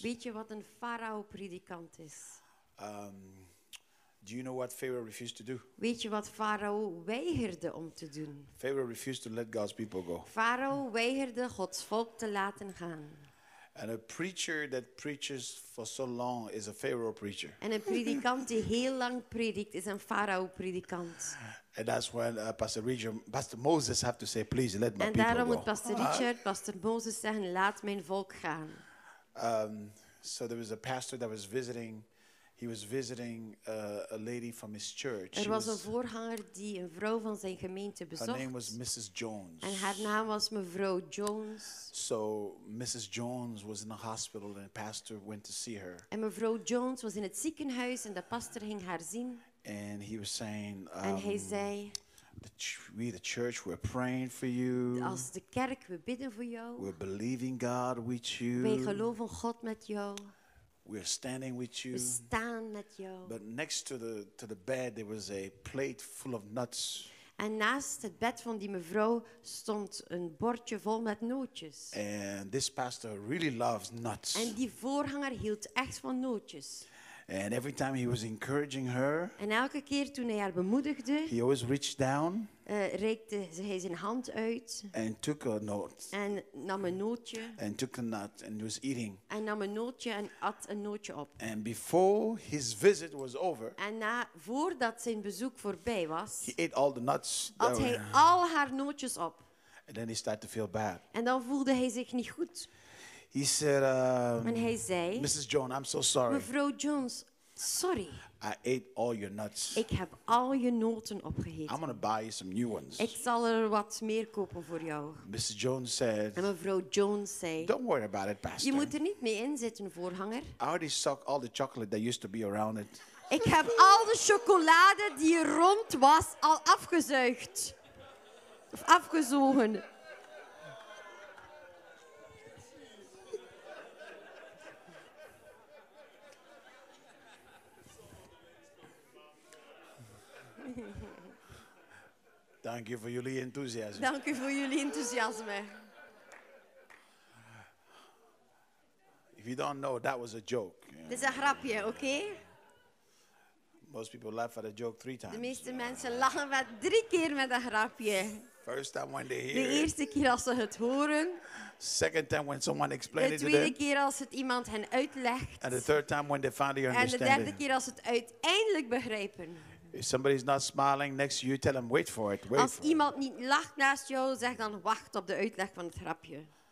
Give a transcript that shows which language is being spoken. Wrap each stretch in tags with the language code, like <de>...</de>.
<nl>Weet je wat een farao predikant is?</nl> <en>Do you know what Pharaoh refused to do?</en> <nl>Weet je wat farao weigerde om te doen?</nl> <en>Pharaoh refused to let God's people go.</en> <nl>Farao weigerde Gods volk te laten gaan.</nl> <en>And a preacher that preaches for so long is a Pharaoh preacher.</en> <nl>En een predikant die heel lang predikt is een farao predikant.</nl> <en>And that's when Pastor Moses have to say, please let my people go.</en> <nl>En daarom moet Pastor Richard, Pastor Moses zeggen, laat mijn volk gaan.</nl> <en>So there was a pastor that was visiting. He was visiting a lady from his church.</en> <nl>Er was een voorganger die een vrouw van zijn gemeente bezocht.</nl> <en>Her name was Mrs. Jones.</en> <nl>En haar naam was mevrouw Jones.</nl> <en>So Mrs. Jones was in the hospital and the pastor went to see her.</en> <nl>En mevrouw Jones was in het ziekenhuis en de pastor ging haar zien.</nl> <en>And he was saying,</en> <nl>en hij zei,</nl> <en>we the church we're praying for you.</en> <nl>Als de kerk we bidden voor jou.</nl> <en>We're believing God with you.</en> <nl>Wij geloven God met jou.</nl> <en>We're standing with you.</en> <nl>We staan met jou.</nl> <en>But next to the bed there was a plate full of nuts.</en> <nl>En naast het bed van die mevrouw stond een bordje vol met nootjes.</nl> <en>And this pastor really loves nuts.</en> <nl>En die voorganger hield echt van nootjes.</nl> <en>And every time he was encouraging her.</en> <nl>En elke keer toen hij haar bemoedigde.</nl> <en>He always reached down.</en> <nl>Reikte hij zijn hand uit.</nl> <en>And took a note.</en> <nl>En nam een nootje.</nl> <en>And took a nut and was eating.</en> <nl>En nam een nootje en at een nootje op.</nl> <en>And before his visit was over.</en> <nl>En voordat zijn bezoek voorbij was.</nl> <en>He ate all the nuts.</en> <nl>At hij al haar nootjes op.</nl> <en>And then he started to feel bad.</en> <nl>En dan voelde hij zich niet goed.</nl> <en>He said,</en> <nl>en hij zei,</nl> <en>Mrs. Jones, I'm so sorry.</en> <nl>Mevrouw Jones, sorry.</nl> <en>I ate all your nuts.</en> <nl>Ik heb al je noten opgegeten.</nl> <en>I'm gonna buy you some new ones.</en> <nl>Ik zal er wat meer kopen voor jou.</nl> <en>Mrs. Jones said,</en> <nl>en mevrouw Jones zei,</nl> <en>don't worry about it, pastor.</en> <nl>Je moet er niet mee inzitten, voorganger.</nl> <en>I already sucked all the chocolate that used to be around it.</en> <nl>Ik heb al de chocolade die rond was al afgezuigd. Of afgezogen.</nl> <en>Thank you for your enthusiasm.</en> <nl>Dank u voor jullie enthousiasme.</nl> <en>If you don't know, that was a joke.</en> <nl>Dat is een grapje, oké?</nl> <en>Most people laugh at a joke 3 times.</en> <nl>De meeste mensen lachen wat 3 keer met een grapje.</nl> <en>First time when they hear</en> <nl>De eerste keer als ze het horen.</nl> <en>Second time when someone explains it to them.</en> <nl>De tweede keer als het iemand hen uitlegt.</nl> <en>And the third time when they finally understand.</en> <nl>En de derde keer als het uiteindelijk begrepen.</nl> <en>If somebody's not smiling next to you, tell them wait for it.</en> <nl>Als iemand niet lacht naast jou, zeg dan wacht op de uitleg van het grapje.</nl>